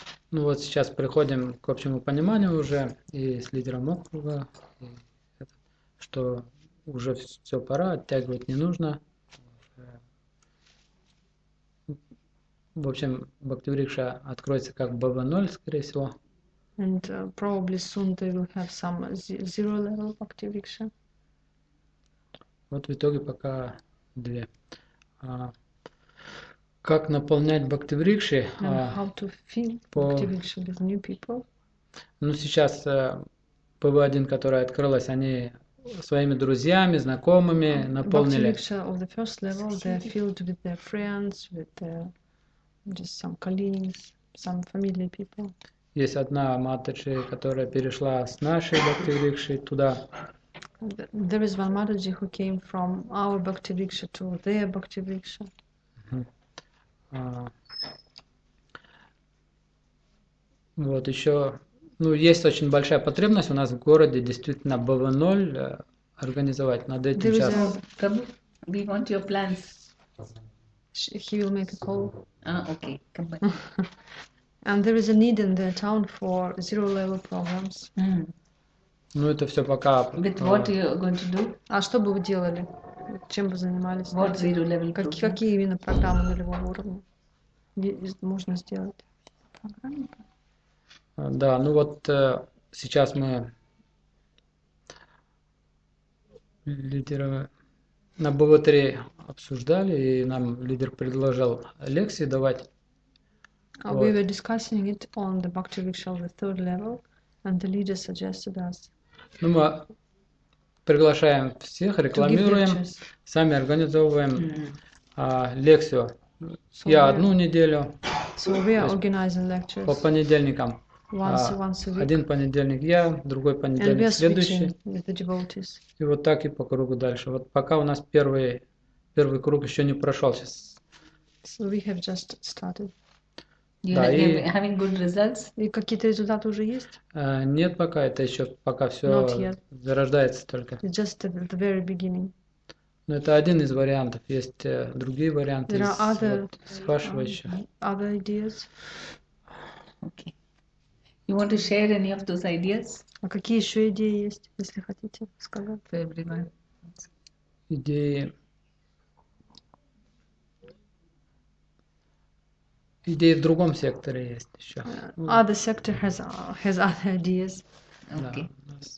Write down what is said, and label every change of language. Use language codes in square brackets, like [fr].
[ru] Ну вот сейчас приходим к общему пониманию уже и с лидером округа, что уже все пора, оттягивать не нужно. В общем, Бхакти Врикша откроется как БВ0, скорее всего. [en] And probably soon they will have some zero level Bhakti Vriksha. [ru] Вот в итоге пока две. Как наполнять Бхакти Врикши? [en] How to fill Bhakti Vriksha with new people? [ru] Ну, сейчас ПВ1, которая открылась, они своими друзьями, знакомыми наполнили. [en] Bhakti Vriksha of the first level, they are filled with their friends, with their, just some colleagues, some familiar people. [ru] Есть одна матаджи, которая перешла с нашей бхакти дикши туда. [en] There is one Mataji who came from our bhakti diksha to their bhakti diksha. [ru] Вот еще, ну, есть очень большая потребность у нас в городе действительно БВ0 организовать над этим сейчас. [en] We want your plans. He will make a call. Okay, come back. And there is a need in the town for zero level programs. [ru] Ну это все пока. [en] But what are you going to do? [ru] А что бы вы делали? Чем бы занимались? [en] What zero level programs? [ru] Какие именно программы нулевого уровня можно сделать? Да, ну вот сейчас мы лидером на БВ3 обсуждали, и нам лидер предложил лекции давать. Вот. [en] We were discussing it on the Bhakti Viksha, the third level, and the leader suggested us. [ru] Ну, мы приглашаем всех, рекламируем, сами организовываем лекцию. [en] So [ru] я одну неделю, [en] so we are organizing lectures [ru] по понедельникам. [en] Once a week. [ru] Один понедельник я, другой понедельник [en] and [ru] следующий. [en] We are switching with the devotees. [ru] И вот так и по кругу дальше. Вот пока у нас первый круг еще не прошел сейчас. [en] So we have just started. Да, you're having good results? [ru] И какие-то результаты уже есть? Нет пока, это еще пока все зарождается только. [en] It's just at the very beginning. [ru] Но это один из вариантов, есть другие варианты. [en] There are other, [ru] вот, спрашивай еще. [en] Other ideas? Okay. You want to share any of those ideas? [ru] А какие еще идеи есть, если хотите сказать? [en] For everyone. [ru] Идеи. Идеи в другом секторе есть еще. [en] Other sector has other ideas. Okay. Да.